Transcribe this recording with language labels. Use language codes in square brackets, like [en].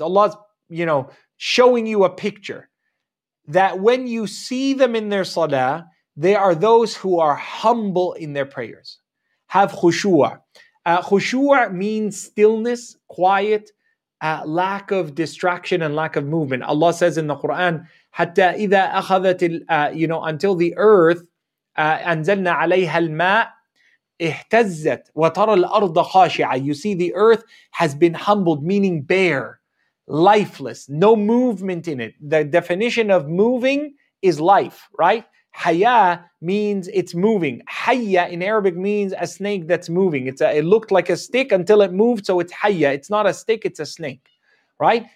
[en] Allah's, showing you a picture that when you see them in their salah, they are those who are humble in their prayers, have khushu'ah. Khushu'ah means stillness, quiet, lack of distraction and lack of movement. Allah says in the Quran, [ar] حَتَّى إِذَا أَخَذَتِ [en] until the earth, [ar] أَنزَلْنَا عَلَيْهَا الْمَاءِ اِهْتَزَّتْ وَتَرَى الْأَرْضَ خَاشِعَةً. [en] You see, the earth has been humbled, meaning bare, lifeless, no movement in it. The definition of moving is life, right? حَيَا means it's moving. حَيَّ in Arabic means a snake that's moving. It looked like a stick until it moved, so it's حَيَّ. It's not a stick, it's a snake. right?